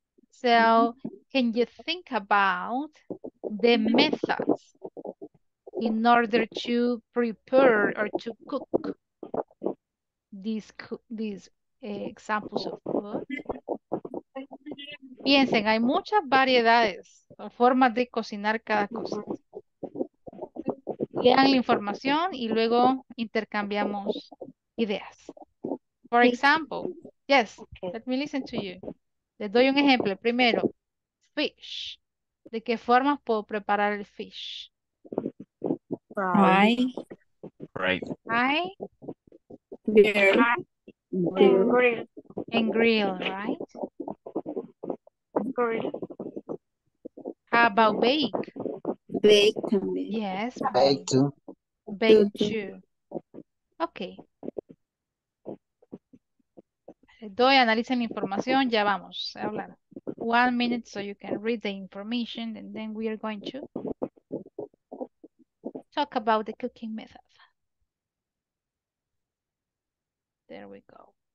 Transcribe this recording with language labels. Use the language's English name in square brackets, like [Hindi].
[English] So can you think about the methods in order to prepare or to cook these examples of food? [Spanish] Piensen, hay muchas variedades o formas de cocinar cada cosa. Lean la información y luego intercambiamos ideas. [English] For example, yes, let me listen to you. [Spanish] Les doy un ejemplo. Primero, fish. ¿De qué formas puedo preparar el fish? [English] Fry. Right. Fry. Grill. And grill, right? How about bake? Bake. Yes. Bake too. Bake too. Okay. [Spanish] Les doy, analicen la información, ya vamos a hablar. [English] 1 minute so you can read the information and then we are going to talk about the cooking method. There we go.